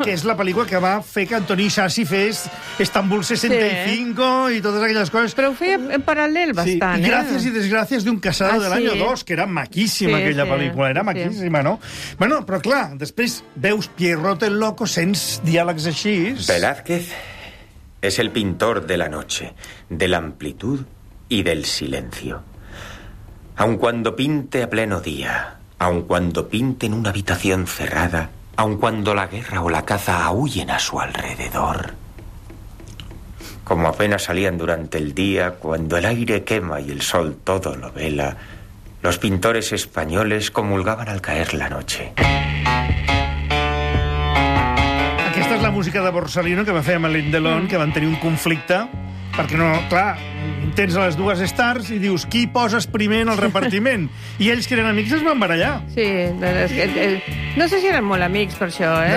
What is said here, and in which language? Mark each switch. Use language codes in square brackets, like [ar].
[ca] Que és la pel·lícula que va fer que Antoni Sassi fes Estambul 65 sí. I totes aquelles coses. Però ho feia en paral·lel bastant. Sí. Gràcies i desgràcies d'un Casado de l'any 2, que era maquíssima aquella pel·lícula. Era maquíssima, no? Bueno, però clar, després veus Pierrot el Loco, sents diàlegs així. [es] Velázquez es el pintor de la noche, de la amplitud y del silencio. Aun cuando pinte a pleno día, aun cuando pinte en una habitación cerrada, aun cuando la guerra o la caza huyen a su alrededor, como apenas salían durante el día, cuando el aire quema y el sol todo lo vela, los pintores españoles comulgaban al caer la noche. [ca] Aquesta és la música de Borsalino que va fer amb Alain Delon, que van tenir un conflicte, perquè no, clar, tens les dues stars i dius, qui poses primer en el repartiment? I ells, que eren amics, es van barallar. Sí, doncs no sé si eren molt amics per això, eh?